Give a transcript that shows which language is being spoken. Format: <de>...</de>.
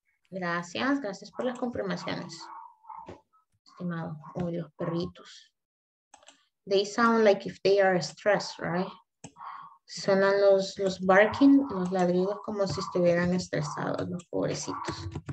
<es>Gracias, gracias por las confirmaciones, estimado, o los perritos.</es> <en>They sound like if they are stressed, right?</en> <es>Suenan los barking, los ladridos, como si estuvieran estresados, los pobrecitos.</es>